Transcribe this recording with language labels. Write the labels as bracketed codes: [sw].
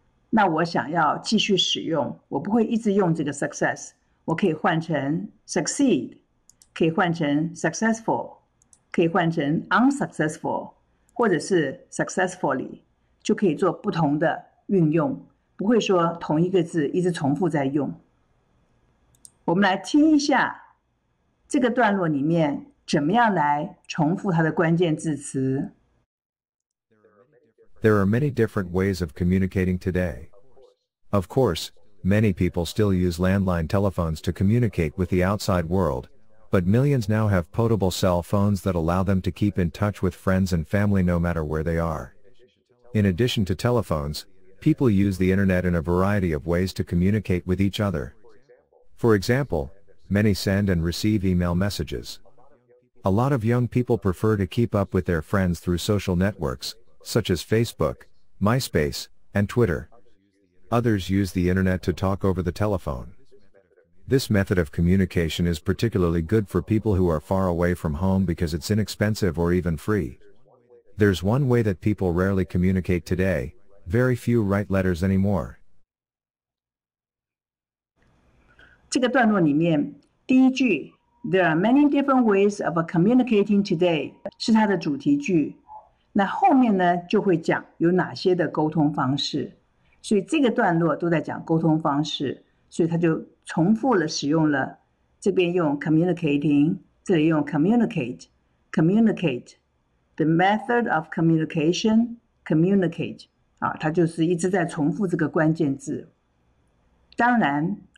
[zh] 那我想要继续使用，我不会一直用这个 success，我可以换成 succeed，可以换成 successful，可以换成 unsuccessful，或者是 successfully，就可以做不同的运用，不会说同一个字一直重复在用。我们来听一下这个段落里面怎么样来重复它的关键字词。 [en] There are many different ways of communicating today. Of course, many people still use landline telephones to communicate with the outside world, but millions now have portable cell phones that allow them to keep in touch with friends and family no matter where they are. In addition to telephones, people use the internet in a variety of ways to communicate with each other. For example, many send and receive email messages. A lot of young people prefer to keep up with their friends through social networks, such as Facebook, MySpace, and Twitter. Others use the internet to talk over the telephone. This method of communication is particularly good for people who are far away from home because it's inexpensive or even free. There's one way that people rarely communicate today, very few write letters anymore. [zh] 这个段落里面，第一句 [en] "There are many different ways of communicating today" [zh] 是它的主题句。那后面呢，就会讲有哪些的沟通方式。所以这个段落都在讲沟通方式，所以它就重复了使用了这边用 communicating，这里用 communicate， [en] the method of communication， [zh] communicate 啊，它就是一直在重复这个关键字。当然。